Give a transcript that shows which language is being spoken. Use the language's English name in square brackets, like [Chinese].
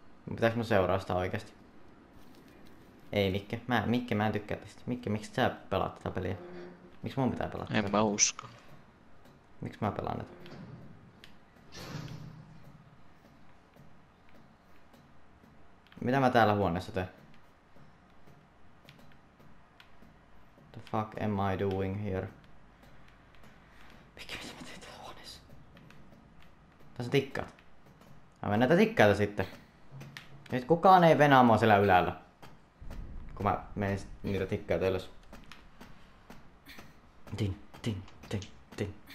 [Finnish] Pitäis mun seuraa sitä oikeesti? Ei Mikke. Mikke, mä en tykkää tästä. Mikke, miksi sä pelaat tätä peliä? Miksi mun pitää pelata? En mä usko. Miksi mä pelaan tätä? Mitä mä täällä huoneessa teen? [English] What the fuck am I doing here? [Finnish] Mikä, mitä mä teen täällä huoneessa? Tässä on tikkaat. Mä mennään tätä tikkaata sitten. Nyt kukaan ei venaa mua siellä ylällä. Kun mä menen niitä tikkaita ylös. Tin, tin, tin, tin.